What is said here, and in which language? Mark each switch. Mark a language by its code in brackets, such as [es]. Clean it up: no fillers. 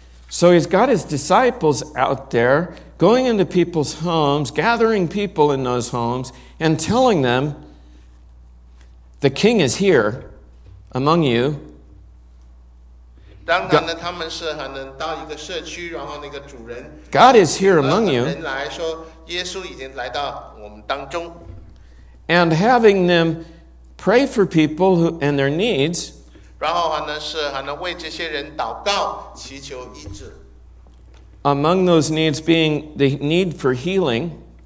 [en] So he's got his disciples out there, going into people's homes, gathering people in those homes, and telling them, the king is here among you. [zh] 当然呢,他们是到一个社区, 然后那个主人, [en] God is here among you. [zh] 耶稣已经来到我们当中, [en] and having them pray for people who, and their needs, [zh] 然后呢,是为这些人祷告, 祈求医治, [en] among those needs being the need for healing,